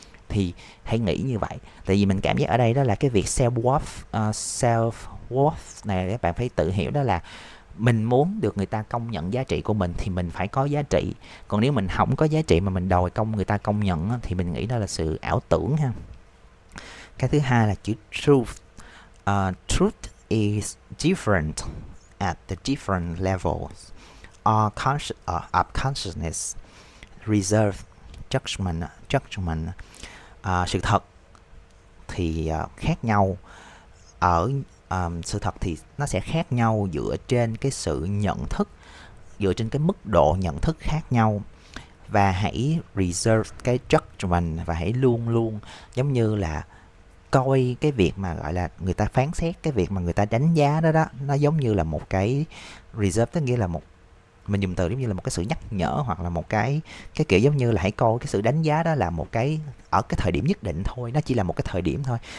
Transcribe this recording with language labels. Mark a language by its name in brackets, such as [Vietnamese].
[Vietnamese] Thì hãy nghĩ như vậy. Tại vì mình cảm giác ở đây đó là cái việc self worth này, các bạn phải tự hiểu đó là mình muốn được người ta công nhận giá trị của mình thì mình phải có giá trị. Còn nếu mình không có giá trị mà mình đòi công người ta công nhận thì mình nghĩ đó là sự ảo tưởng ha. Cái thứ hai là chữ truth. [English] Truth is different at the different levels of consciousness, reserve, judgment. [Vietnamese] Sự thật thì khác nhau ở sự thật thì nó sẽ khác nhau dựa trên cái sự nhận thức, dựa trên cái mức độ nhận thức khác nhau. và hãy reserve cái judgment và hãy luôn luôn giống như là coi cái việc mà gọi là người ta phán xét, cái việc mà người ta đánh giá đó đó, nó giống như là một cái reserve, tức nghĩa là một, mình dùng từ giống như là một cái sự nhắc nhở hoặc là một cái kiểu giống như là hãy coi cái sự đánh giá đó là một cái ở cái thời điểm nhất định thôi, nó chỉ là một cái thời điểm thôi.